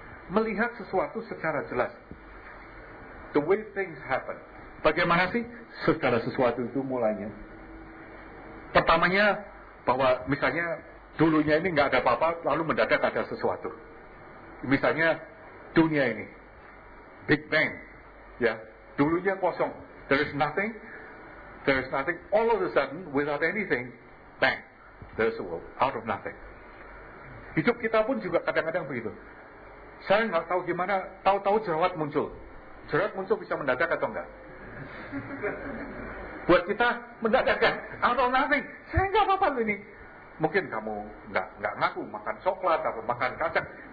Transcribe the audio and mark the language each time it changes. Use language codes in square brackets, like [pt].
[id] Melihat sesuatu secara jelas. [en] The way things happen. [id] Bagaimana sih secara sesuatu itu mulainya? Pertamanya bahwa misalnya dulunya ini gak ada apa-apa lalu mendadak ada sesuatu. Misalnya dunia ini. Big Bang, ya. Dulunya kosong, [en] there is nothing. All of a sudden, without anything, bang, there is a world out of nothing. [id] Hidup kita pun juga kadang-kadang begitu. Saya nggak tahu gimana, tahu-tahu jerawat muncul bisa mendadak atau enggak? Buat kita mendadak kan, [en] out of nothing. [id] Saya nggak apa-apa ini. Mungkin kamu nggak ngaku makan coklat atau makan kacang.